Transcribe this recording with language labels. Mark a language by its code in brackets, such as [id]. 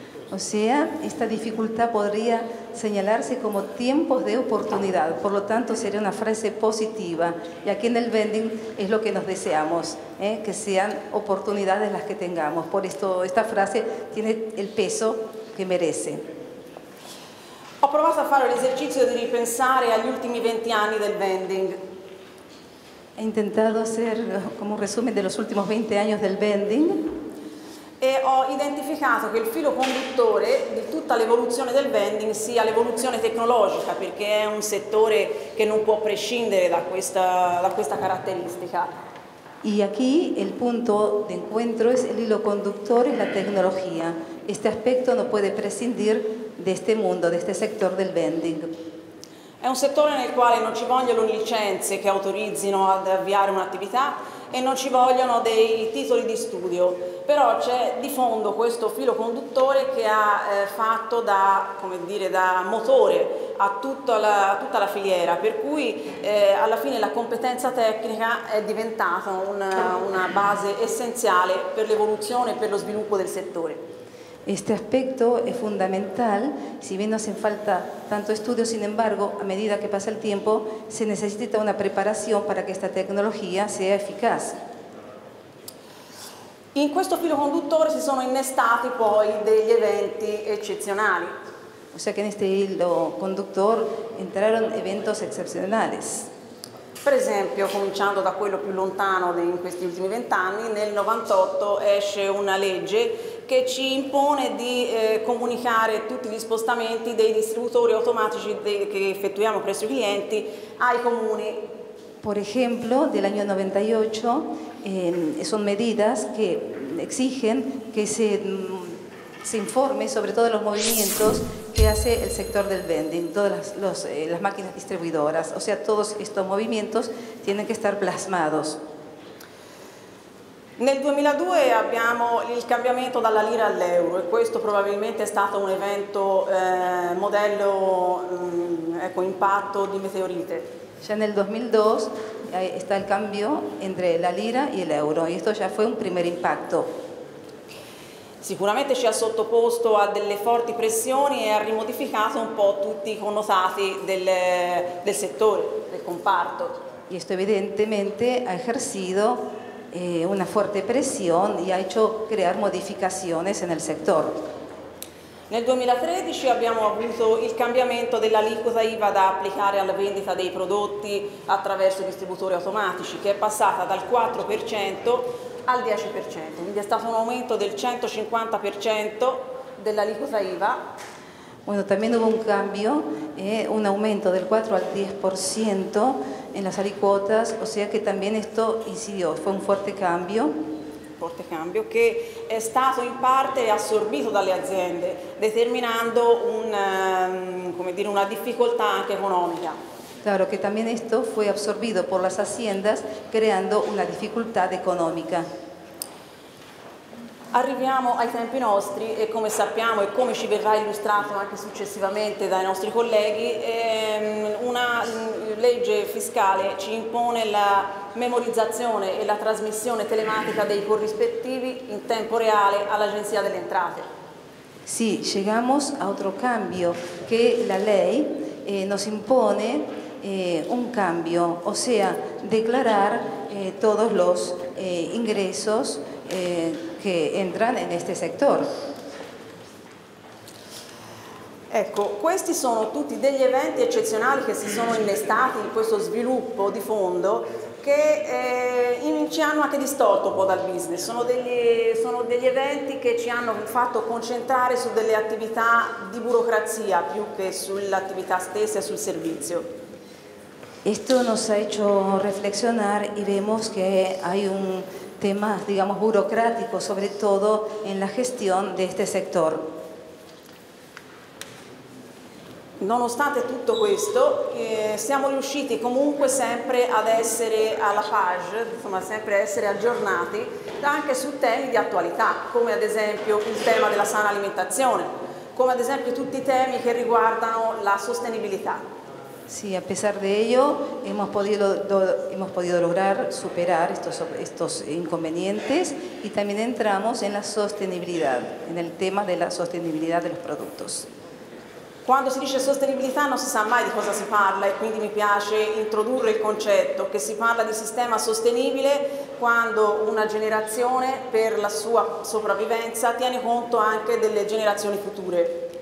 [it] Ossia, questa difficoltà potrebbe segnalarsi come tempi di opportunità, per lo tanto sarebbe una frase positiva. E qui nel vending è lo che noi desideriamo, che siano opportunità le che tengamo. Per questo questa frase tiene il peso che merece. Ho provato a fare l'esercizio di ripensare agli ultimi 20 anni del vending. [es] He intentado hacer como un resumen de los últimos 20 años del vending. [it] E ho identificato che il filo conduttore di tutta l'evoluzione del vending sia l'evoluzione tecnologica, perché è un settore che non può prescindere da questa caratteristica. E qui il punto d'incontro è il filo conduttore e la tecnologia. Questo aspetto non può prescindere da questo mondo, da questo settore del vending. È un settore nel quale non ci vogliono licenze che autorizzino ad avviare un'attività e non ci vogliono dei titoli di studio. Però c'è di fondo questo filo conduttore che ha fatto da, come dire, da motore a tutta la filiera, per cui alla fine la competenza tecnica è diventata una base essenziale per l'evoluzione e per lo sviluppo del settore. [es] Este aspecto es fundamental, si bien no hacen falta tanto estudio, sin embargo, a medida que pasa el tiempo, se necesita una preparación para que esta tecnología sea eficaz. En este filo conductor se han innestado, pues, [it] degli [es] eventos excepcionales. O sea que en este hilo conductor entraron eventos excepcionales. [it] Per esempio, cominciando da quello più lontano in questi ultimi vent'anni, nel 98 esce una legge che ci impone di comunicare tutti gli spostamenti dei distributori automatici che effettuiamo presso i clienti ai comuni. [es] Por ejemplo, del año 98 son medidas que exigen que se informe sobre todos los movimientos que hace el sector del vending, todas las máquinas distribuidoras, o sea, todos estos movimientos tienen que estar plasmados. [it] Nel 2002 abbiamo il cambiamento dalla lira all'euro e questo probabilmente è stato un evento modello ecco, impatto di meteorite. [es] Ya [it] nel 2002 sta il [es] cambio entre la lira y el euro y esto ya fue un primer impacto. [it] Sicuramente ci ha sottoposto a delle forti pressioni e ha rimodificato un po' tutti i connotati del settore, del comparto. E questo evidentemente ha esercito una forte pressione e ha fatto creare modificazioni nel settore. Nel 2013 abbiamo avuto il cambiamento dell'aliquota IVA da applicare alla vendita dei prodotti attraverso i distributori automatici, che è passata dal 4% al 10%, quindi è stato un aumento del 150% dell'aliquota IVA. [es] Bueno, también hubo un cambio, un aumento del 4 al 10% en las aliquotas, o sea que también esto incidió, fue un fuerte cambio. [it] Forte cambio che è stato in parte assorbito dalle aziende, determinando una difficoltà anche economica. [es] Claro que también esto fue absorbido por las haciendas, creando una dificultad económica. [it] Arriviamo ai tempi nostri e come sappiamo e come ci verrà illustrato anche successivamente dai nostri colleghi, una legge fiscale ci impone la memorizzazione e la trasmissione telematica dei corrispettivi in tempo reale all'Agenzia delle Entrate. [es] Sì, llegamos a otro cambio [it] che [es] la ley nos impone. Un cambio, o sea, declarar todos los ingresos que entran en este sector. [it] Ecco, questi sono tutti degli eventi eccezionali che si sono innestati in questo sviluppo di fondo che ci hanno anche distolto un po' dal business. Sono degli eventi che ci hanno fatto concentrare su delle attività di burocrazia più che sull'attività stessa e sul servizio. [es] Esto nos ha hecho reflexionar y vemos que hay un tema, digamos, burocrático, sobre todo en la gestión de este sector. [it] Nonostante tutto questo, siamo riusciti comunque sempre ad essere alla page, insomma, sempre essere aggiornati anche su temi di attualità, come ad esempio il tema della sana alimentazione, come ad esempio tutti i temi che riguardano la sostenibilità. [es] Sí, a pesar de ello, hemos podido lograr superar estos inconvenientes y también entramos en la sostenibilidad, en el tema de la sostenibilidad de los productos. Cuando se dice sostenibilidad no se sabe [it] mai de cosa se parla, y quindi me piace introdurre el concepto, que se parla de sistema sostenibile cuando una generazione per la sua sopravvivenza tiene conto anche delle generazioni future.